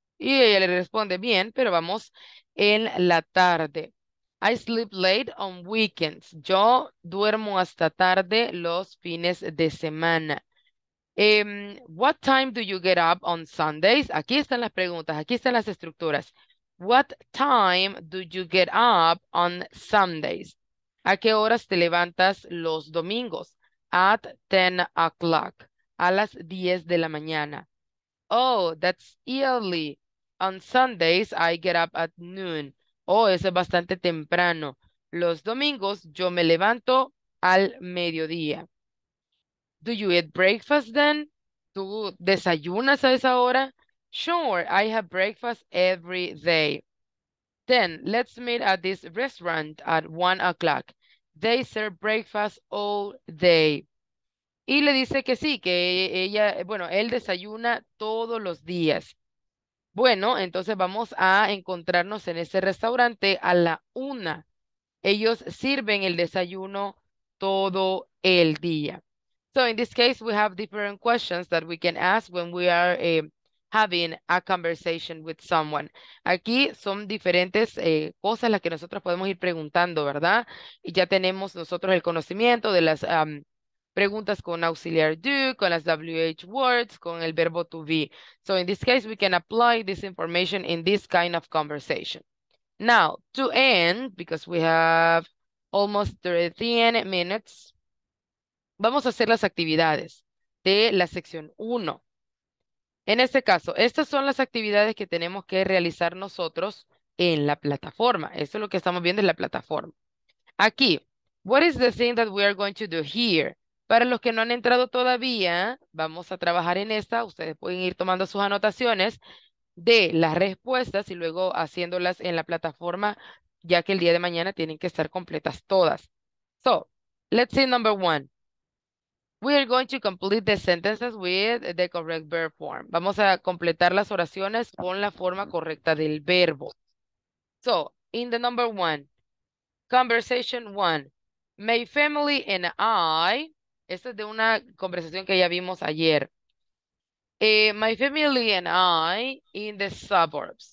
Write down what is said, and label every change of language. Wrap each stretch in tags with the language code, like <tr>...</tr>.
<es>Y ella le responde, bien, pero vamos en la tarde.</es> <en>I sleep late on weekends.</en> <es>Yo duermo hasta tarde los fines de semana.</es> <en>What time do you get up on Sundays?</en> <es>Aquí están las preguntas, aquí están las estructuras.</es> <en>What time do you get up on Sundays?</en> <es>¿A qué horas te levantas los domingos?</es> <en>At 10 o'clock.</en> <es>A las 10 de la mañana.</es> <en>Oh, that's early. On Sundays, I get up at noon.</en> <es>Oh, eso es bastante temprano. Los domingos, yo me levanto al mediodía.</es> <en>Do you eat breakfast then?</en> <es>¿Tú desayunas a esa hora?</es> <en>Sure, I have breakfast every day. Then, let's meet at this restaurant at 1 o'clock. They serve breakfast all day.</en> <es>Y le dice que sí, que ella, bueno, él desayuna todos los días. Bueno, entonces vamos a encontrarnos en ese restaurante a la 1. Ellos sirven el desayuno todo el día.</es> <en>So, in this case, we have different questions that we can ask when we are having a conversation with someone.</en> <es>Aquí son diferentes cosas las que nosotros podemos ir preguntando, ¿verdad? Y ya tenemos nosotros el conocimiento de las preguntas con auxiliar do, con las WH words, con el verbo to be.</es> <en>So in this case, we can apply this information in this kind of conversation. Now, to end, because we have almost 13 minutes,</en> <es>vamos a hacer las actividades de la sección 1. En este caso, estas son las actividades que tenemos que realizar nosotros en la plataforma. Eso es lo que estamos viendo en la plataforma. Aquí,</es> <en>what is the thing that we are going to do here?</en> <es>Para los que no han entrado todavía, vamos a trabajar en esta. Ustedes pueden ir tomando sus anotaciones de las respuestas y luego haciéndolas en la plataforma, ya que el día de mañana tienen que estar completas todas.</es> <en>So, let's see number one. We are going to complete the sentences with the correct verb form.</en> <es>Vamos a completar las oraciones con la forma correcta del verbo.</es> <en>So, in the number one, conversation one, my family and I,</en> <es>esta es de una conversación que ya vimos ayer.</es> <en>My family and I in the suburbs.</en>